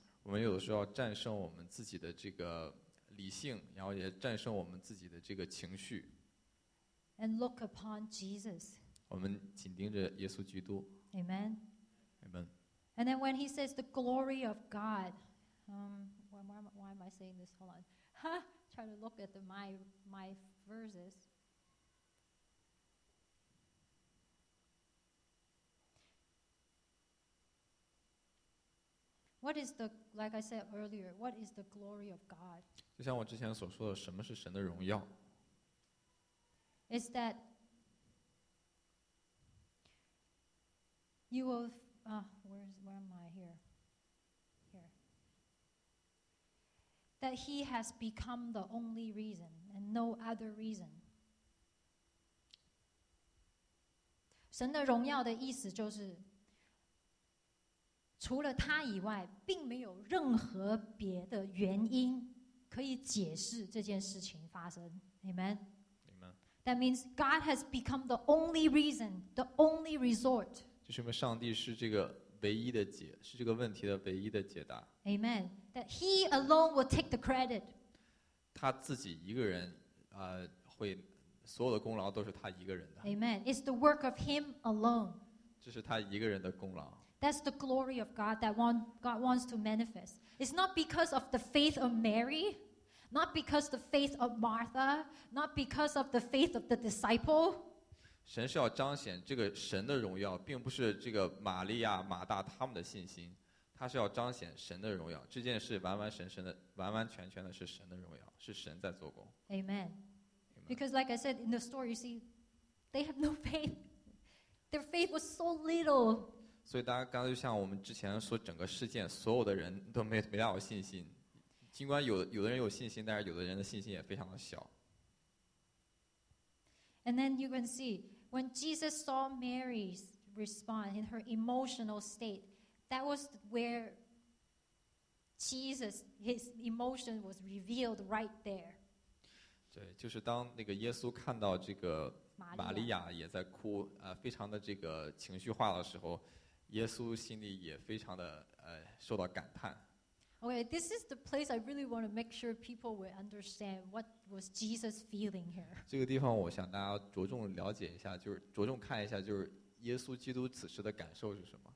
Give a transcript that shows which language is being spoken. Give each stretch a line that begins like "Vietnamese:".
Chinese: 我们有的时候要战胜我们自己的这个理性，然后也战胜我们自己的这个情绪。
English: And look upon Jesus.
Chinese: 我们紧盯着耶稣基督。
English: Amen. Amen. And then when he says the glory of God, why am I saying this? Hold on. Try to look at my verses. What is the, like I said earlier, what is the glory of God?
Chinese: 就像我之前所说的，什么是神的荣耀？
English: Is that you will, where am I? Here. That he has become the only reason and no other reason.
Chinese: 神的荣耀的意思就是除了他以外，并没有任何别的原因可以解释这件事情发生。
English: Amen. Amen. That means God has become the only reason, the only resort.
Chinese: 就是上帝是这个唯一的解，是这个问题的唯一的解答。
English: Amen. That He alone will take the credit.
Chinese: 他自己一个人，会所有的功劳都是他一个人的。
English: Amen. It's the work of Him alone.
Chinese: 这是他一个人的功劳。
English: That's the glory of God that God wants to manifest. It's not because of the faith of Mary, not because of the faith of Martha, not because of the faith of the disciple.
Chinese: 神是要彰显这个神的荣耀，并不是这个玛利亚、马大他们的信心，他是要彰显神的荣耀。这件事完完全全的是神的荣耀，是神在做工。
English: Amen. Because like I said in the story, you see, they have no faith. Their faith was so little.
Chinese: 所以大家刚才就像我们之前说整个事件所有的人都没大有信心，尽管有的人有信心，但是有的人的信心也非常的小。
English: And then you can see when Jesus saw Mary's response in her emotional state, that was where Jesus, his emotion was revealed right there.
Chinese: 对，就是当那个耶稣看到这个玛利亚也在哭，非常的这个情绪化的时候，耶稣心里也非常的受到感叹。
English: Okay, this is the place I really want to make sure people will understand what was Jesus feeling here.
Chinese: 这个地方我想大家着重了解一下，就是着重看一下，就是耶稣基督此时的感受是什么。